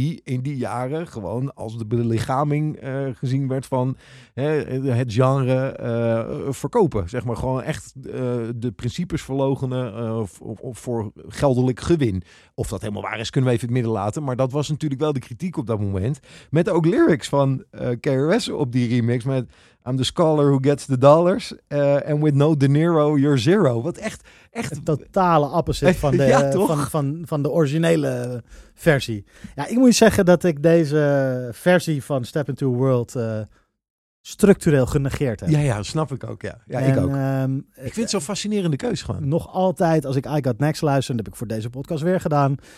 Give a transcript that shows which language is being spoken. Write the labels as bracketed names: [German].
[Dutch] die in die jaren gewoon als de belichaming gezien werd van het genre verkopen. Zeg maar gewoon echt de principes verloochenen voor geldelijk gewin. Of dat helemaal waar is, kunnen we even in het midden laten. Maar dat was natuurlijk wel de kritiek op dat moment. Met ook lyrics van KRS op die remix met... [English] I'm the scholar who gets the dollars. And with no De Niro, you're zero. [Dutch] Wat echt... echt een totale opposite van de, van de originele versie. Ja, ik moet zeggen dat ik deze versie van Step Into a World structureel genegeerd heb. Ja, ja, snap ik ook. Ja, ja en, ik ook. Ik vind het zo'n fascinerende keuze gewoon. Nog altijd, als ik I Got Next luister, dat heb ik voor deze podcast weer gedaan.